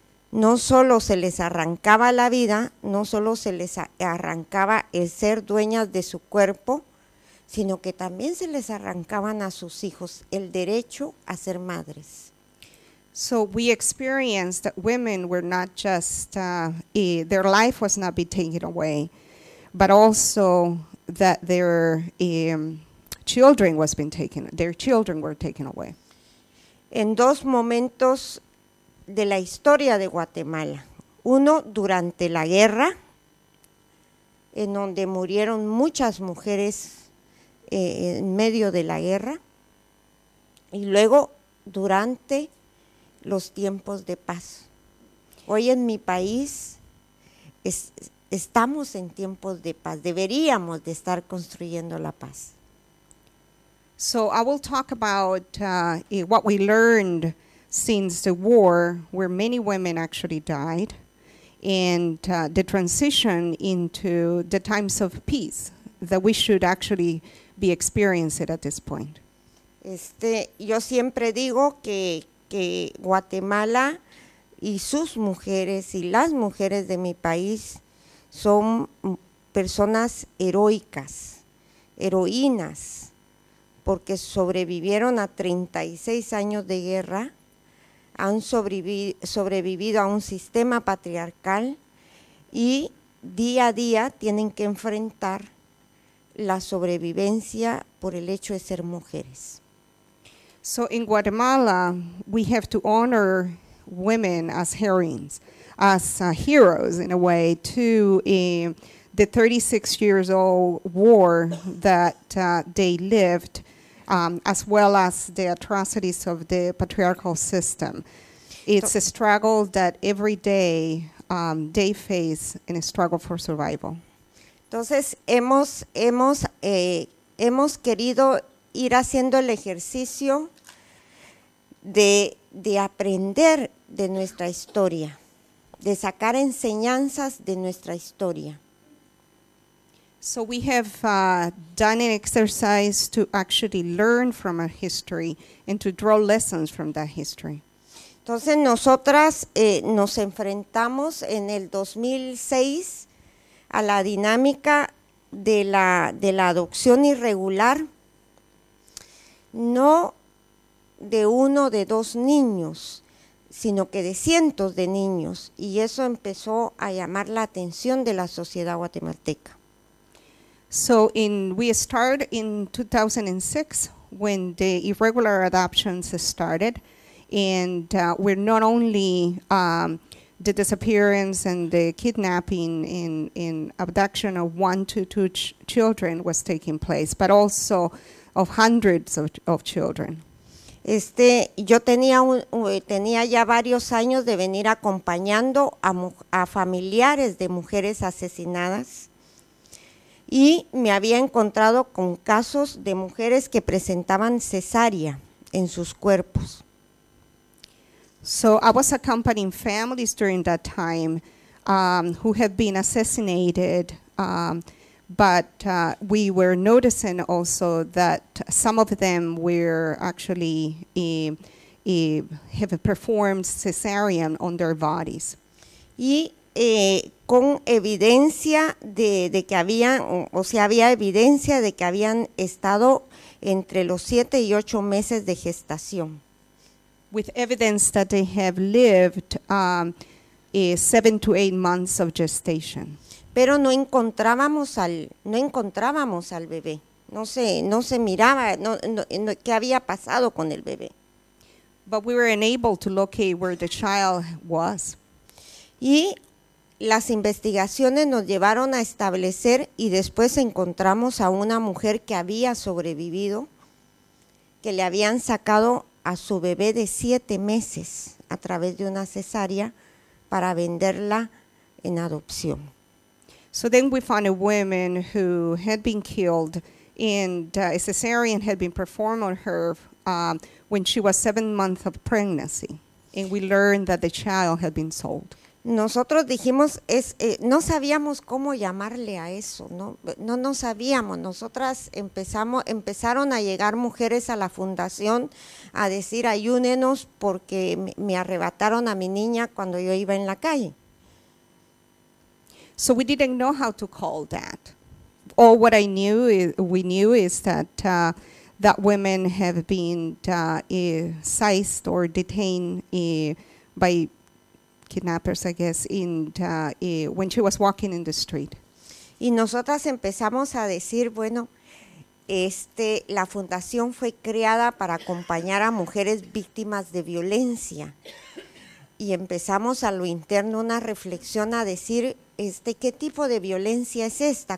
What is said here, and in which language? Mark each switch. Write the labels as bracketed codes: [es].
[es] no solo se les arrancaba la vida, no solo se les arrancaba el ser dueñas de su cuerpo, sino que también se les arrancaban a sus hijos el derecho a ser madres. [en] So we experienced that women were not just, their life was not being taken away, but also that their children were taken away. [es] En dos momentos de la historia de Guatemala. Uno, durante la guerra, en donde murieron muchas mujeres en medio de la guerra, y luego durante los tiempos de paz. Hoy en mi país estamos en tiempos de paz, deberíamos de estar construyendo la paz. [en] So I will talk about what we learned since the war, where many women actually died, and the transition into the times of peace that we should actually be experiencing at this point. [es] Yo siempre digo que Guatemala y sus mujeres y las mujeres de mi país son personas heroicas, heroínas, porque sobrevivieron a 36 años de guerra, han sobrevivido a un sistema patriarcal y día a día tienen que enfrentar la sobrevivencia por el hecho de ser mujeres. [en] So in Guatemala, we have to honor women as heroines, as heroes in a way, to the 36 years old war that they lived, as well as the atrocities of the patriarchal system. It's a struggle that every day they face in a struggle for survival. [es] Entonces, hemos querido ir haciendo el ejercicio de aprender de nuestra historia, de sacar enseñanzas de nuestra historia. [en] So we have done an exercise to actually learn from our history and to draw lessons from that history. [es] Entonces nosotras nos enfrentamos en el 2006 a la dinámica de la adopción irregular, no de uno de dos niños, sino que de cientos de niños, y eso empezó a llamar la atención de la sociedad guatemalteca. [en] So we started in 2006 when the irregular adoptions started, and we're not only the disappearance and the kidnapping in abduction of one to two children was taking place, but also of hundreds of children. [es] Yo tenía ya varios años de venir acompañando a familiares de mujeres asesinadas. Y me había encontrado con casos de mujeres que presentaban cesárea en sus cuerpos. [en] So I was accompanying families during that time who had been assassinated, but we were noticing also that some of them were actually have performed cesarean on their bodies. [es] Y con evidencia de que habían, o sea, había evidencia de que habían estado entre los 7 y 8 meses de gestación. [en] With evidence that they have lived 7 to 8 months of gestation. [es] Pero no encontrábamos al bebé. No se miraba, no, qué había pasado con el bebé. [en] But we were unable to locate where the child was. [es] Y las investigaciones nos llevaron a establecer y después encontramos a una mujer que había sobrevivido, que le habían sacado a su bebé de 7 meses a través de una cesárea para venderla en adopción. [en] So then we found a woman who had been killed and a cesarean had been performed on her when she was 7 months of pregnancy, and we learned that the child had been sold. [es] Nosotros dijimos, no sabíamos cómo llamarle a eso, no sabíamos. Nosotras empezaron a llegar mujeres a la fundación a decir, ayúdenos porque me arrebataron a mi niña cuando yo iba en la calle. [en] So we didn't know how to call that. All what I knew is, we knew is that that women have been seized or detained by kidnappers, I guess, when she was walking in the street. [es] Y nosotras empezamos a decir, bueno, la fundación fue creada para acompañar a mujeres víctimas de violencia. Y empezamos a lo interno una reflexión a decir, ¿qué tipo de violencia es esta?